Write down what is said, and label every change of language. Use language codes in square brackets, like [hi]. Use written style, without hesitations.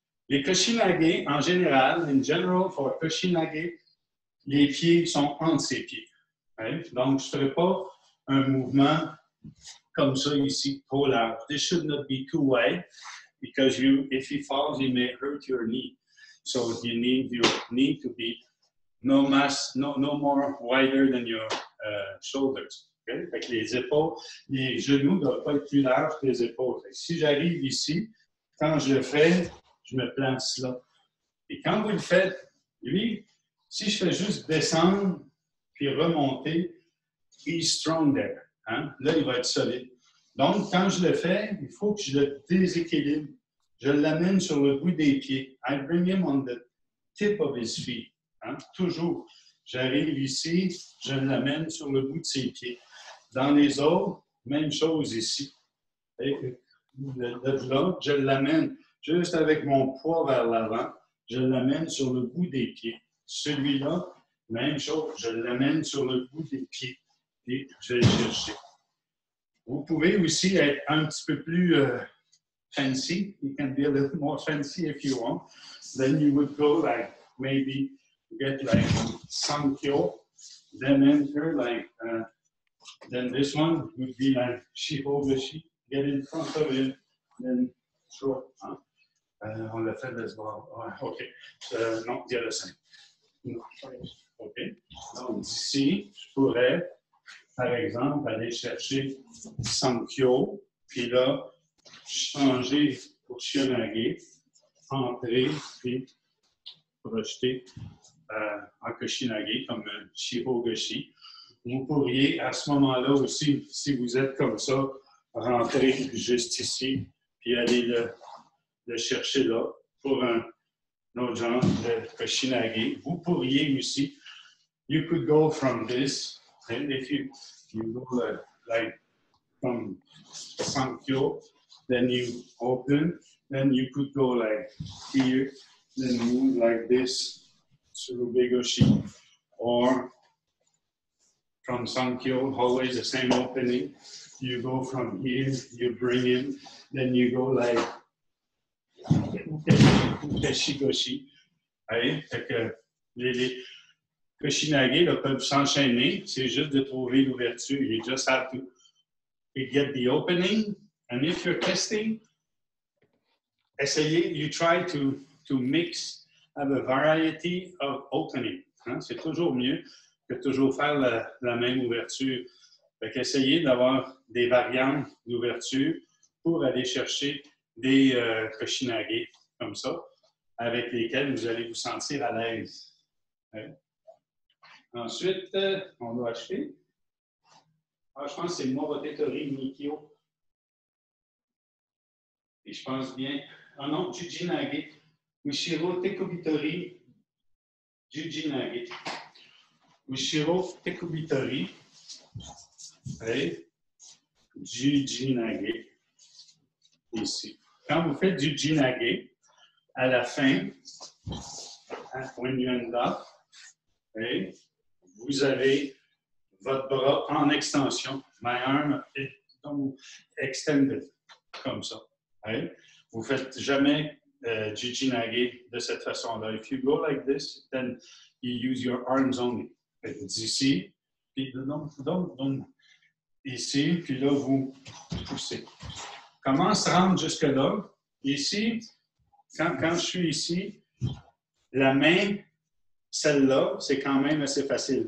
[fr] Les koshinage, en général, [en] in general, for koshinage, [fr] les pieds sont entre ses pieds. [en] Right? [fr] Donc, je ne ferai pas un mouvement comme ça ici, trop large. [en] This should not be too wide, because you, if he falls, he may hurt your knee. So you need your knee to be no more wider than your shoulders. Okay? [fr] Fait que les épaules, les genoux ne doivent pas être plus larges que les épaules. Fait que si j'arrive ici, quand je le fais, je me place là. Et quand vous le faites, lui, si je fais juste descendre puis remonter, [en] he's strong there. [fr] Hein? Là, il va être solide. Donc, quand je le fais, il faut que je le déséquilibre. Je l'amène sur le bout des pieds. [en] I bring him on the tip of his feet. [fr] Hein? Toujours. J'arrive ici, je l'amène sur le bout de ses pieds. Dans les autres, même chose ici. Là, je l'amène juste avec mon poids vers l'avant. Je l'amène sur le bout des pieds. Celui-là, même chose, je l'amène sur le bout des pieds. Et je vais le chercher. Vous pouvez aussi être un petit peu plus fancy. [en] You can be a little more fancy if you want. Then you would go like, maybe get like Sankyo, then enter like, then this one would be like Shihoboshi, get in front of him, then throw. [fr] Hein? On l'a fait de ce bord. Oh, OK. Non, il y a le sein. OK. Donc, ici, je pourrais, par exemple, aller chercher Sankyo, puis là, changer pour Shionage, entrer, puis projeter. En koshinage, comme un shihogoshi. Vous pourriez, à ce moment-là aussi, si vous êtes comme ça, rentrer juste ici, puis aller le chercher là, pour un autre genre de koshinage. Vous pourriez aussi, [en] you could go from this, and if you go like from Sankyo, then you open, then you could go like here, then move like this, Tsurubegoshi, or from Sankyo, always the same opening. You go from here, you bring him, then you go like Ukeshigoshi. [fr] Les koshinage peuvent s'enchaîner, c'est juste de trouver l'ouverture. [en] You just have to get the opening, and if you're testing, [fr] essayez, [en] you try to mix have a variety of opening. Hein? [fr] C'est toujours mieux que toujours faire la même ouverture. Fait qu'essayer d'avoir des variantes d'ouverture pour aller chercher des koshinage comme ça, avec lesquels vous allez vous sentir à l'aise. Ouais. Ensuite, on doit acheter. Ah, je pense que c'est Morotetori Mikyo. Et je pense bien. Ah non, Jujinage. Ushiro Tekubitori Jujinage. Ushiro Tekubitori Jujinage. Ici. Quand vous faites Jujinage, à la fin, [en] when you end up, Okay? [fr] Vous avez votre bras en extension. [en] My arm is extended, [fr] comme ça. [en] Okay? [fr] Vous ne faites jamais jichinage de cette façon-là. [en] If you go like this, then you use your arms only. [fr] D'ici, puis donc, ici, puis là, vous poussez. Comment se rendre jusque-là? Ici, quand je suis ici, la main, celle-là, c'est quand même assez facile.